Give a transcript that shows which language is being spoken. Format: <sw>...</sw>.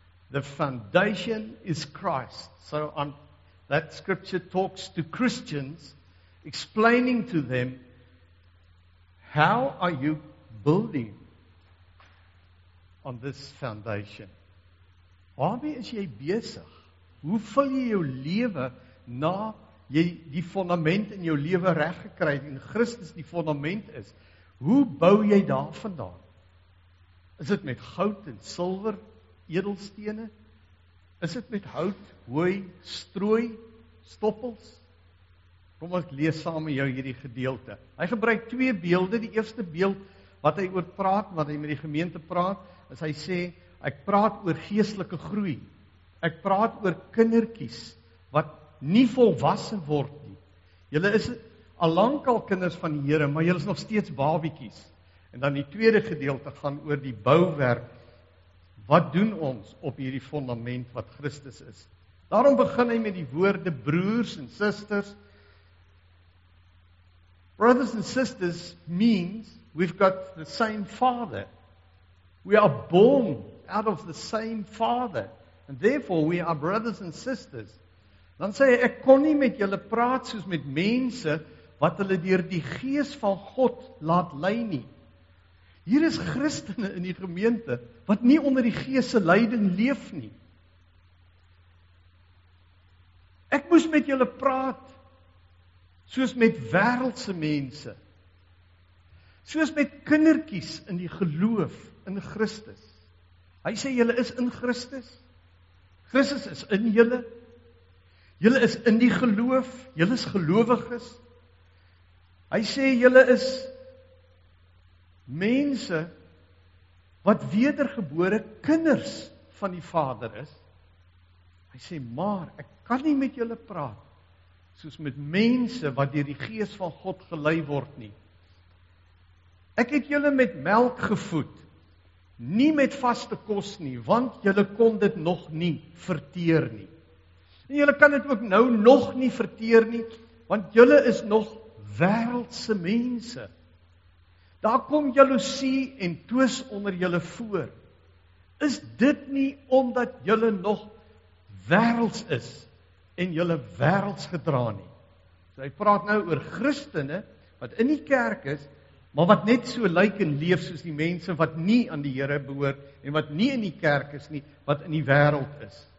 <en>The foundation is Christ. So that scripture talks to Christians, explaining to them, how are you building on this foundation?</en> <af>Waarmee is jy besig? Hoe vul jy jou lewe na jy die fondament in jou lewe reg gekry het en Christus die fondament is? Hoe bou jy daar vandaan? Is dit met goud en silwer, edelstene? Is dit met hout, hooi, strooi, stoppels? Kom ons lees saam met jou hierdie gedeelte. Hy gebruik twee beelde. Die eerste beeld wat hy oor praat, wat hy met die gemeente praat, is hy sê, ek praat oor geestelike groei. Ek praat oor kindertjies wat nie volwasse word nie. Julle is al lank al kinders van die Here, maar julle is nog steeds babietjies. En dan die tweede gedeelte gaan oor die bouwerk. Wat doen ons op hierdie fondament wat Christus is? Daarom begin hy met die woorde broers en susters.</af> <en>Brothers and sisters means we've got the same Father. We are born out of the same Father. And therefore, we are brothers and sisters.</en> <af>Dan sê hy, ek kon nie met julle praat soos met mense wat hulle deur die Gees van God laat lei nie. Hier is Christene in die gemeente wat nie onder die Gees se leiding leef nie. Ek moes met julle praat soos met wêreldse mense. Soos met kindertjies in die geloof in Christus. Hy sê julle is in Christus. Christus is in julle. Julle is in die geloof, julle is gelowiges. Hy sê julle is mense wat wedergebore kinders van die Vader is. Hy sê, maar ek kan nie met julle praat soos met mense wat deur die Gees van God gelei word nie. Ek het julle met melk gevoed, nie met vaste kos nie, want julle kon dit nog nie verteer nie. En julle kan dit ook nou nog nie verteer nie, want julle is nog wêreldse mense. Daar kom jaloesie en twis onder julle voor. Is dit nie omdat julle nog wêrelds is en julle wêrelds gedra nie? So hy praat nou oor Christene wat in die kerk is, maar wat net so lyk en leef soos die mense wat nie aan die Here behoort en wat nie in die kerk is nie, wat in die wêreld is.</af>